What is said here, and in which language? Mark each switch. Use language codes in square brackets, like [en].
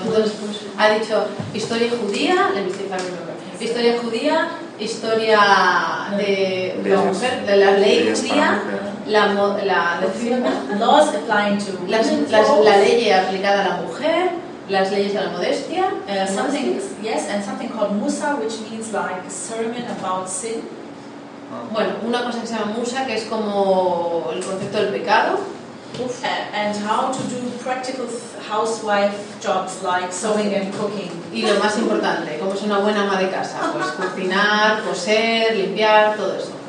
[es] Entonces, pues, ha dicho historia judía, le dice para mí, historia judía, historia de la mujer, de la ley judía, la ley aplicada a la mujer, las leyes de la modestia, [en] something, yes, and something called Musa, which means like a sermon about sin. [es] Bueno, una cosa que se llama Musa, que es como el concepto del pecado. [en] And how to do practical housewife jobs like sewing and cooking. [es] Y lo más importante, cómo ser una buena ama de casa, pues cocinar, coser, limpiar, todo eso.